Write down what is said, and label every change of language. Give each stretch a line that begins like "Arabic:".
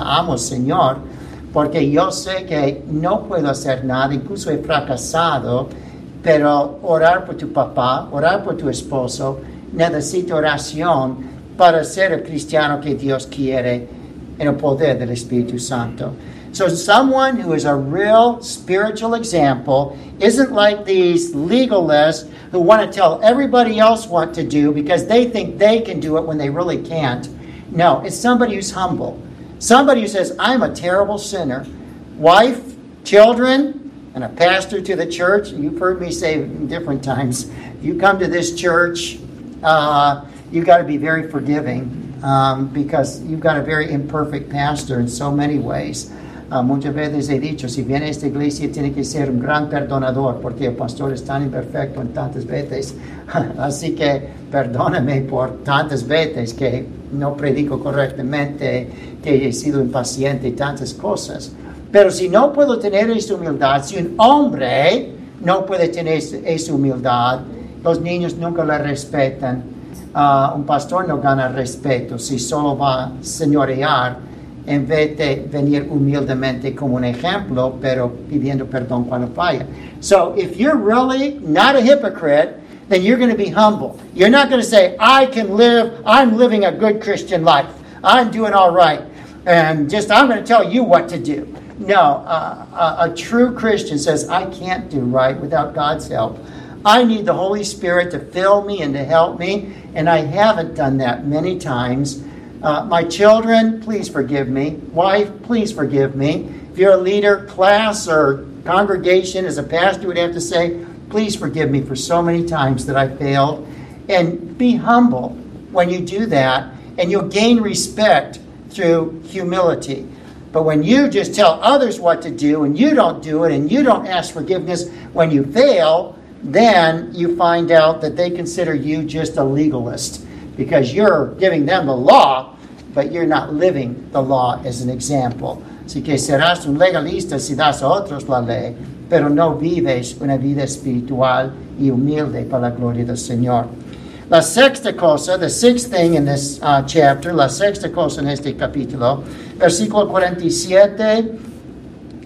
Spanish: Amo al Señor porque yo sé que no puedo hacer nada, incluso he fracasado. Pero orar por tu papá, orar por tu esposo, necesita oración para ser el cristiano que Dios quiere en el poder del Espíritu Santo.
English: So someone who is a real spiritual example isn't like these legalists who want to tell everybody else what to do because they think they can do it when they really can't. No, it's somebody who's humble. Somebody who says, I'm a terrible sinner. Wife, children, and a pastor to the church, you've heard me say different times, you come to this church, you've got to be very forgiving because you've got a very imperfect pastor in so many ways.
Spanish: Muchas veces he dicho, si viene a esta iglesia, tiene que ser un gran perdonador porque el pastor es tan imperfecto en tantas veces. Así que perdóname por tantas veces que no predico correctamente, que he sido impaciente y tantas cosas. Pero si no puedo tener esa humildad, si un hombre no puede tener esa humildad, los niños nunca la respetan. Un pastor no gana respeto si solo va a señorear en vez de venir humildemente como un ejemplo, pero pidiendo perdón cuando falla.
English: So if you're really not a hypocrite, then you're going to be humble. You're not going to say, I'm living a good Christian life. I'm doing all right. And just, I'm going to tell you what to do. No, a true Christian says, I can't do right without God's help. I need the Holy Spirit to fill me and to help me, and I haven't done that many times. My children, please forgive me. Wife, please forgive me. If you're a leader, class, or congregation, as a pastor would have to say, please forgive me for so many times that I failed. And be humble when you do that, and you'll gain respect through humility. But when you just tell others what to do and you don't do it and you don't ask forgiveness when you fail, then you find out that they consider you just a legalist because you're giving them the law, but you're not living the law as an example.
Spanish: Así que serás un legalista si das a otros la ley, pero no vives una vida espiritual y humilde para la gloria del Señor. La sexta cosa,
English: the sixth thing in this chapter,
Spanish: la sexta cosa en este capítulo, versículo 47,